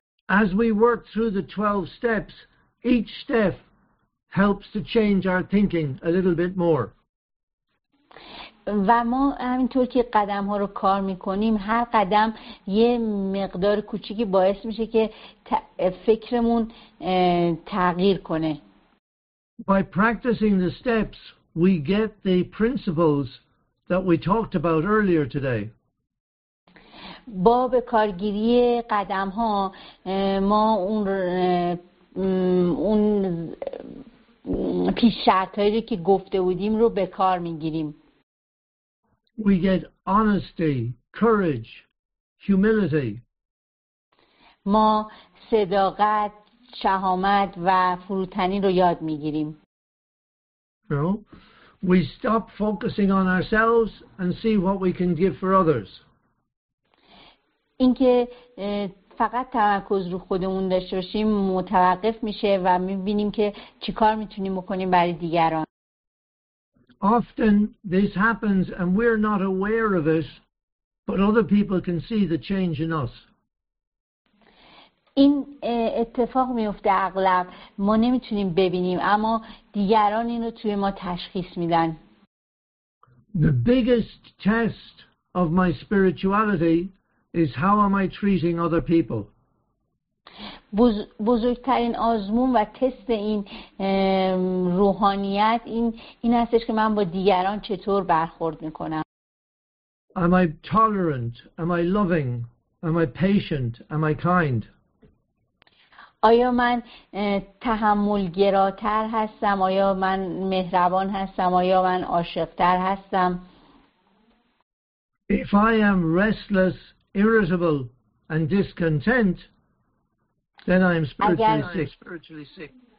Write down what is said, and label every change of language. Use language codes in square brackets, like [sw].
[en] As we work through the 12 steps, each step helps to change our thinking a little bit more. [fa] و ما همینطور که قدم ها رو کار میکنیم، هر قدم یه مقدار کوچیکی باعث میشه که فکرمون تغییر کنه. [en] By practicing the steps, we get the principles that we talked about earlier today. [fa] با به کارگیری قدم ها ما اون پیش شرط هایی رو که گفته بودیم رو به کار میگیریم. [en] We get honesty, courage, humility. [fa] ما صداقت، شهامت و فروتنی رو یاد میگیریم. [en] No. We stop focusing on ourselves and see what we can give for others. [fa] اینکه فقط تمرکز رو خودمون داشته باشیم متوقف میشه و میبینیم که چیکار میتونیم بکنیم برای دیگران. [en] Often this happens and we're not aware of it, but other people can see the change in us. [fa] این اتفاق میفته اغلب، ما نمیتونیم ببینیم اما دیگران اینو توی ما تشخیص میدن. [en] The biggest test of my spirituality is how am I treating other people. [fa] بزرگترین آزمون و تست این روحانیت این هستش که من با دیگران چطور برخورد میکنم. [en] Am I tolerant? Am I loving? Am I patient? Am I kind? [fa] آیا من تحملگراتر هستم؟ آیا من مهربان هستم؟ آیا من عاشقتر هستم؟ [en] If I am restless, irritable and discontent, then I am spiritually sick.